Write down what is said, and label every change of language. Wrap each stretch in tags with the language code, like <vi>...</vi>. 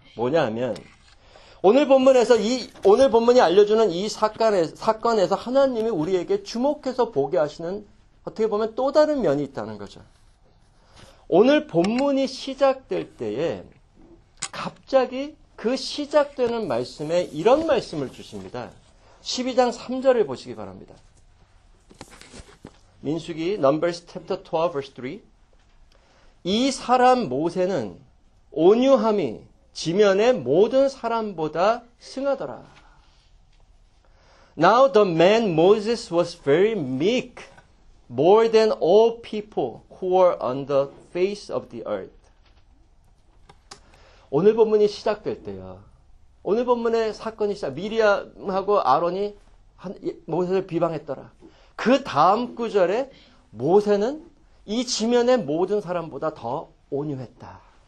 <ko>뭐냐 하면, 오늘 본문이 알려주는 이 사건에서 하나님이 우리에게 주목해서 보게 하시는 어떻게 보면 또 다른 면이 있다는 거죠. 오늘 본문이 시작될 때에 갑자기 그 시작되는 말씀에 이런 말씀을 주십니다. 12장 3절을 보시기 바랍니다.</ko> <en>민수기 Numbers chapter 12 verse 3.</en> <ko>이 사람 모세는 온유함이 지면에 모든 사람보다 승하더라.</ko> <en>Now the man Moses was very meek, more than all people who were on the face of the earth.</en> <ko>오늘 본문이 시작될 때요. 오늘 본문의 사건이 시작. 미리암하고 아론이 모세를 비방했더라. 그 다음 구절에 모세는 이 지면의 모든 사람보다 더 온유했다.</ko>